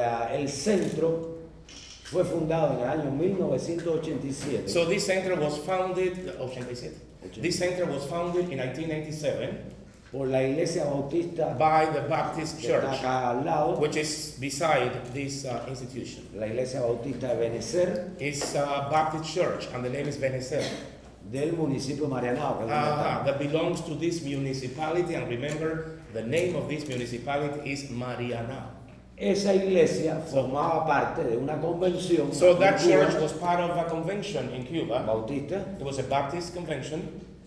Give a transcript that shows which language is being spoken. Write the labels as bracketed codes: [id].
[es] El centro fue fundado en el año 1987. [en] So, this center was founded in 1987. This center was founded in 1987. [es] Por la Iglesia Bautista, [en] by the Baptist Church, [es] acá al lado, [en] which is beside this institution. [es] La Iglesia Bautista de Benecer, [en] is a Baptist Church, and the name is Benecer. [es] Del municipio Marianao, que [en] that belongs to this municipality, and remember, the name of this municipality is Marianao. [es] Esa iglesia formaba parte de una convención. [en] So that church was part of a convention in Cuba. [es] Bautista. [en] It was a Baptist convention.